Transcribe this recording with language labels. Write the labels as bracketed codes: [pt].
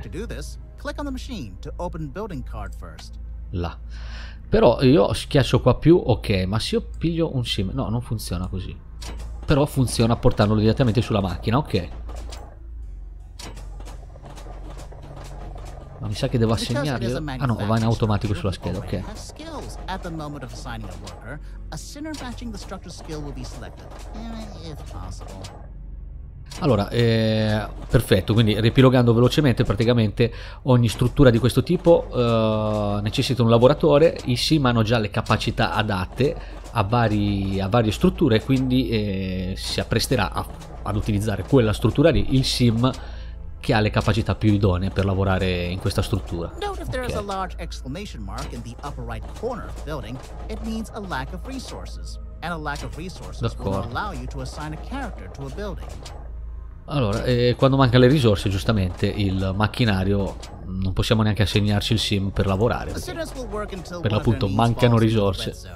[en] To do this, click on the machine to open building card first. [it] Là. Però io schiaccio qua più, ok, ma se io piglio un sim, no, non funziona così. Però funziona portandolo direttamente sulla macchina, ok. Ma mi sa che devo assegnarlo. Ah no, va in automatico sulla scheda, ok. [en] At the moment of assigning a worker, a sinner matching the structure skill will be selected. If possible. [it] Allora, perfetto, quindi riepilogando velocemente, praticamente ogni struttura di questo tipo necessita un lavoratore, i sim hanno già le capacità adatte a varie strutture, quindi si appresterà ad utilizzare quella struttura lì, il sim che ha le capacità più idonee per lavorare in questa struttura. [en] Note if there is a large exclamation mark in the upper right corner of the building, it means a lack of resources, and a lack of resources will allow you to assign a character to a building. [it] Allora, quando mancano le risorse, giustamente, il macchinario, non possiamo neanche assegnarci il sim per lavorare, per l'appunto mancano risorse.